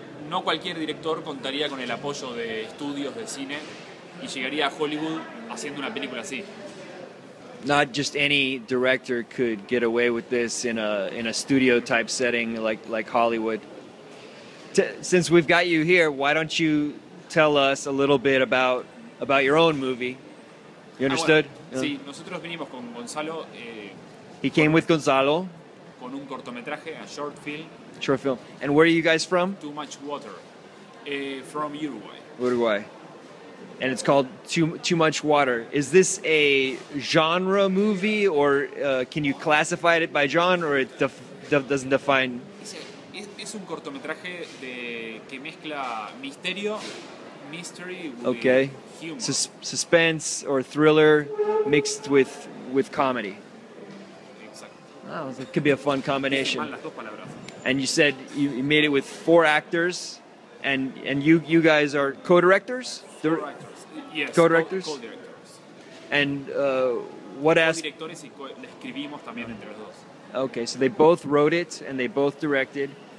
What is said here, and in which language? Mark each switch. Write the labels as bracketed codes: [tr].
[es] No cualquier director contaría con el apoyo de estudios de cine y llegaría a Hollywood haciendo una película así. [en] Not just any director could get away with this in a studio type setting like Hollywood. Since we've got you here, why don't you tell us a little bit about your own movie. You understood? [es] Bueno, yeah. Sí, nosotros vinimos con Gonzalo. [en] He came with Gonzalo. [es] Con un cortometraje, [en] a short film. Short film. And where are you guys from? Too Much Water. From Uruguay. Uruguay. And it's called Too Much Water. Is this a genre movie, or can you classify it by genre, or it doesn't define? [es] Es un cortometraje que mezcla misterio. [en] Mystery, okay. Humor. Suspense or thriller mixed with comedy. Exactly. Oh, it could be a fun combination. [es] Las dos palabras. [en] And you said you made it with four actors, and you guys are co-directors? Co-directors. And what asked? [es] Co-directores y escribimos también entre los dos. [en] Okay, so they both wrote it and they both directed.